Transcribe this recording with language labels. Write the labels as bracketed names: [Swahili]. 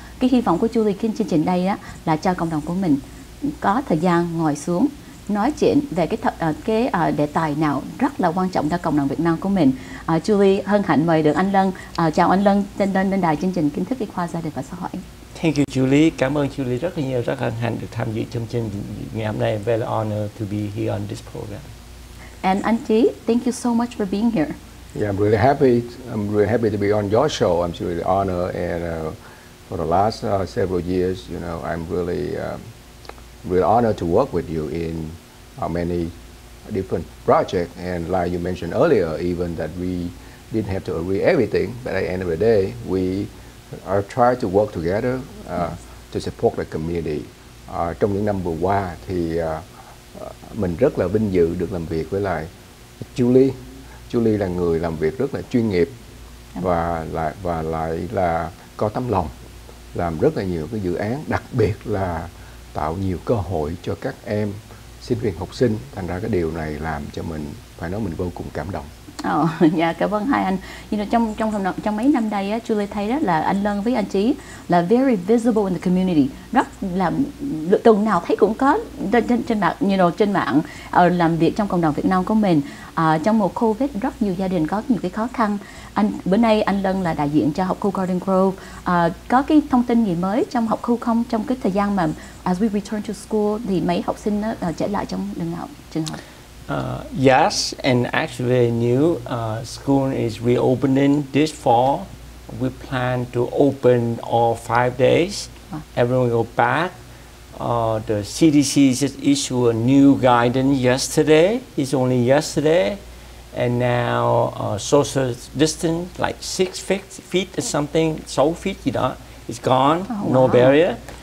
[Vietnamese] Cái hy vọng của Julie trên chương trình đây á là cho cộng đồng của mình có thời gian ngồi xuống nói chuyện về cái đề tài nào rất là quan trọng cho cộng đồng Việt Nam của mình. Julie hân hạnh mời được anh Lân. Chào anh Lân, lên đài chương trình Kiến Thức Y Khoa, Gia Đình và Xã Hội. [English] Thank you Julie, [Vietnamese] cảm ơn Julie rất là nhiều, rất hân hạnh được tham dự chương trình ngày hôm nay. [English] Very honored to be here on this program. And Auntie, thank you so much for being here. Yeah, I'm really happy. I'm really happy to be on your show. I'm really honored. And for the last several years, you know, I'm really really honored to work with you in many different projects. And like you mentioned earlier, even that we didn't have to agree everything, but at the end of the day, we are trying to work together to support the community. [Vietnamese] Trong những năm vừa qua thì mình rất là vinh dự được làm việc với lại Julie. Julie là người làm việc rất là chuyên nghiệp và lại là có tấm lòng, làm rất là nhiều cái dự án, đặc biệt là tạo nhiều cơ hội cho các em sinh viên học sinh. Thành ra cái điều này làm cho mình phải nói mình vô cùng cảm động. Dạ, cảm ơn hai anh. [English] You know, [Vietnamese] trong mấy năm đây á, Julie thấy đó là anh Lân với anh Chí là [English] very visible in the community, [Vietnamese] rất là tuần nào thấy cũng có trên mạng, [English] you know, [Vietnamese] trên mạng làm việc trong cộng đồng Việt Nam của mình. Trong mùa COVID rất nhiều gia đình có nhiều cái khó khăn. Bữa nay anh Lân là đại diện cho học khu Garden Grove. Có cái thông tin gì mới trong học khu không, trong cái thời gian mà [English] as we return to school [Vietnamese] thì mấy học sinh trở lại trong trường học? [English] Yes, and actually new school is reopening this fall. We plan to open all 5 days. Everyone go back. The CDC just issued a new guidance yesterday. It's only yesterday. And now social distance, like 6 feet or something, 6 feet, you know, it's gone, no barrier.